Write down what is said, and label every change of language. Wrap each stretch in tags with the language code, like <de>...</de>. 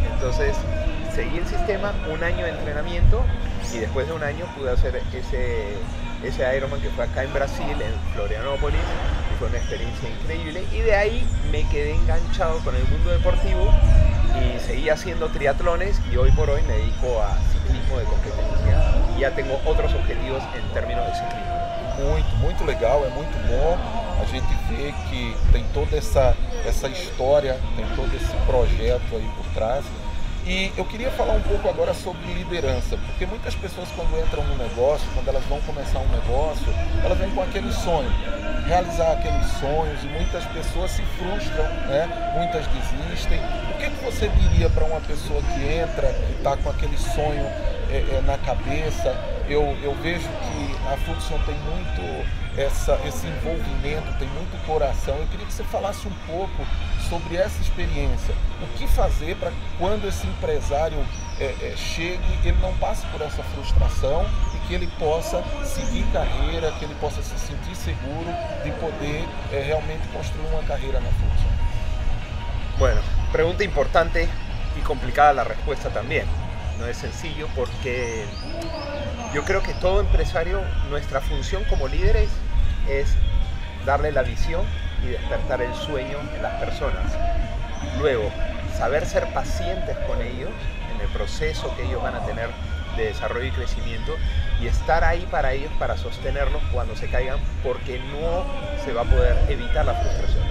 <es>Entonces, seguí el sistema, un año de entrenamiento, y después de un año pude hacer ese Ironman, que fue acá en Brasil, en Florianópolis, y fue una experiencia increíble. Y de ahí me quedé enganchado con el mundo deportivo, y seguí haciendo triatlones y hoy por hoy me dedico a ciclismo de competencia y ya tengo otros objetivos en términos de ciclismo.</es> <pt>Muito, muito legal, é muito bom a gente ver que tem toda essa história, tem todo esse projeto aí por trás. E eu queria falar um pouco agora sobre liderança, porque muitas pessoas quando entram no negócio, quando elas vão começar um negócio, elas vêm com aquele sonho, realizar aqueles sonhos, e muitas pessoas se frustram, né? Muitas desistem. O que você diria para uma pessoa que entra, que está com aquele sonho na cabeça? Eu vejo que a Fluxion tem muito esse envolvimento, tem muito coração. Eu queria que você falasse um pouco sobre essa experiência. O que fazer para quando esse empresário chegue, ele não passe por essa frustração e que ele possa seguir carreira, que ele possa se sentir seguro de poder realmente construir uma carreira na Fluxion?</pt> <es>Bueno, pregunta importante</es> <pt>e complicada a resposta também.</pt> <es>No es sencillo porque yo creo que todo empresario, nuestra función como líderes es darle la visión y despertar el sueño en las personas. Luego, saber ser pacientes con ellos en el proceso que ellos van a tener de desarrollo y crecimiento y estar ahí para ellos, para sostenerlos cuando se caigan, porque no se va a poder evitar la frustración.</es>